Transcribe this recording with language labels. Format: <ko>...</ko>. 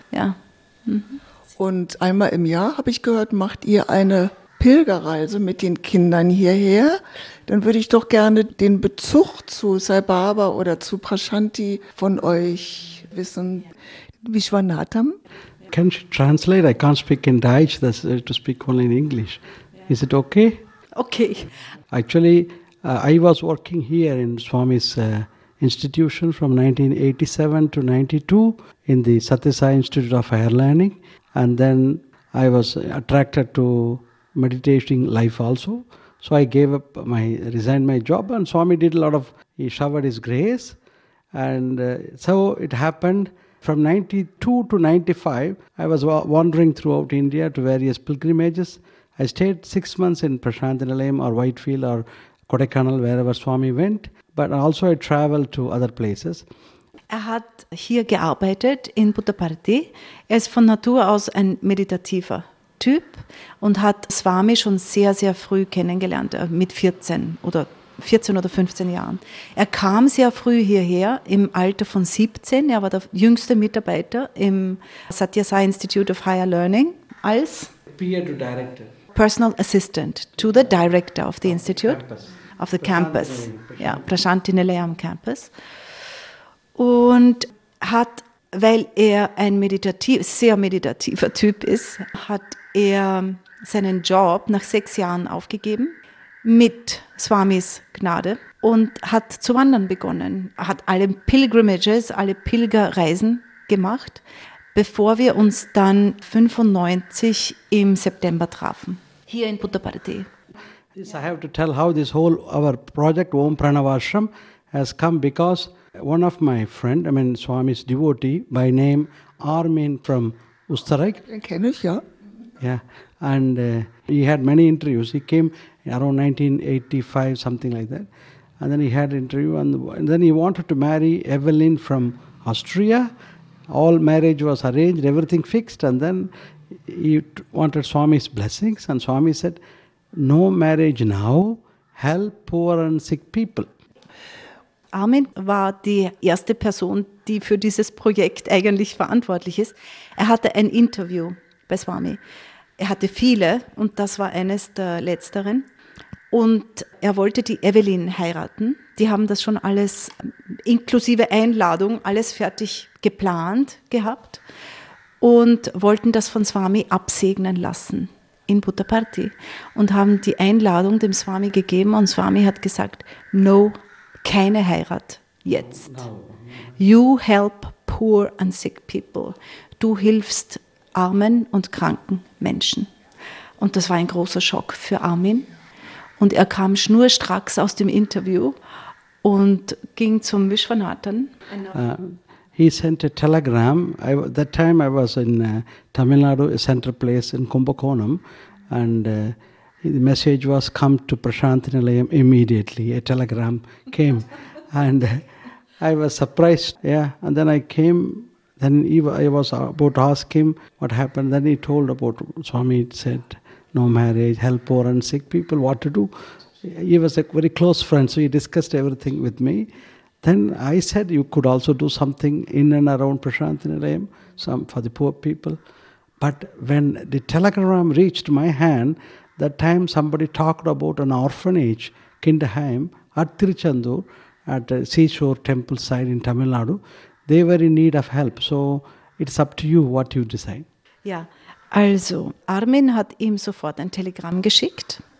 <de>Ja. Und einmal im Jahr, habe ich gehört, macht ihr eine Pilgerreise mit den Kindern hierher. Dann würde ich doch gerne den Bezug zu Sai Baba oder zu Prashanti von euch wissen. Vishwanatham?</de> <en>Can you translate? I can't speak in Deutsch, that's to speak only in English. Is it okay? Okay. Actually, I was working here in Swami's institution from 1987 to 92 in the Satyasai Institute of Higher Learning. And then I was attracted to meditation life also. So I gave up resigned my job, and Swami did a lot of, he showered his grace. And so it happened from 92 to 95, I was wandering throughout India to various pilgrimages. I stayed 6 months in Prashanthinilayam or Whitefield or Kodaikanal, wherever Swami went. But also I traveled to other places.</en> <de>Er hat hier gearbeitet in Puttaparthi. Er ist von Natur aus ein meditativer Typ und hat Swami schon sehr, sehr früh kennengelernt, mit 14 oder 15 Jahren. Er kam sehr früh hierher, im Alter von 17. Er war der jüngste Mitarbeiter im Satyasai Institute of Higher Learning als Personal Assistant to the Director of the Institute, of the Campus, ja, Prashanthinilayam Campus. Und hat, weil er ein sehr meditativer Typ ist, hat er seinen Job nach 6 Jahren aufgegeben, mit Swamis Gnade, und hat zu wandern begonnen. Er hat alle Pilgrimages, alle Pilgerreisen gemacht, bevor wir uns dann 1995 im September trafen, hier in Puttaparthi.</de> <en>This I have to tell how this whole our project Om Pranavashram has come, because one of my friend, I mean Swami's devotee by name Armin from Österreich.</en> <de>Den kenne ich, ja.</de> <en>Yeah, and he had many interviews. He came around 1985, something like that. And then he had an interview, and then he wanted to marry Evelyn from Austria. All marriage was arranged, everything fixed, and then he wanted Swami's blessings, and Swami said, no marriage now, help poor and sick people.</en> <de>Armin war die erste Person, die für dieses Projekt eigentlich verantwortlich ist. Er hatte ein Interview bei Swami. Er hatte viele, und das war eines der letzteren. Und er wollte die Evelyn heiraten. Die haben das schon alles, inklusive Einladung, alles fertig geplant gehabt und wollten das von Swami absegnen lassen in Puttaparthi und haben die Einladung dem Swami gegeben, und Swami hat gesagt, no, keine Heirat jetzt.</de> <en>You help poor and sick people.</en> <de>Du hilfst armen und kranken Menschen. Und das war ein großer Schock für Armin. Und er kam schnurstracks aus dem Interview und ging zum Vishwanathan.</de> <en>He sent a telegram. That time I was in Tamil Nadu, a center place in Kumbakonam. And the message was, come to Prashanthinilayam immediately. A telegram came. And I was surprised. Yeah. And then I came. Then I was about to ask him what happened. Then he told about Swami said, no marriage, help poor and sick people, what to do. He was a very close friend, so he discussed everything with me. Then I said, you could also do something in and around Prashanthinilayam, some for the poor people. But when the telegram reached my hand, that time somebody talked about an orphanage, Kindaheim, at Tiruchandur, at a seashore temple site in Tamil Nadu. They were in need of help. So it's up to you what you decide. Yeah.</en> <de>Also, Armin hat ihm sofort ein Telegramm geschickt.</de>